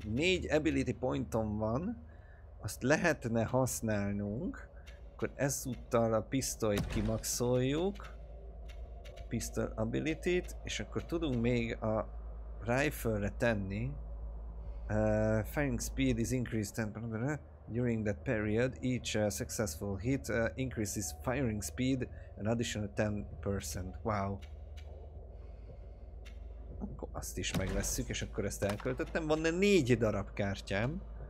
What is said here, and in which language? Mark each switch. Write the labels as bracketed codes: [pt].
[hu] 4 ability pointom van, azt lehetne használnunk. Akkor ezúttal a pisztolyt kimaxoljuk. Pistol ability-t, és akkor tudunk még a rifle-re tenni. [en] Firing speed is increased 10% during that period. Each successful hit increases firing speed an additional 10%. Wow. [hu] Akkor azt is megvesszük, és akkor ezt elköltöttem. Van-e 4 darab kártyám?